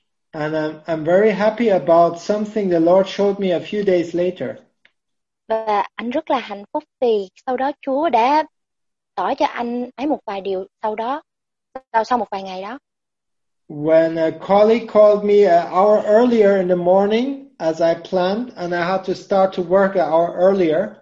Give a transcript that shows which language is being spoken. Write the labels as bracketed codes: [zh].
[en] And I'm very happy about something the Lord showed me a few days later. [vi] Và anh rất là hạnh phúc vì sau đó Chúa đã tỏ cho anh ấy một vài điều sau đó, sau một vài ngày đó. [en] When a colleague called me an hour earlier in the morning, as I planned, and I had to start to work an hour earlier.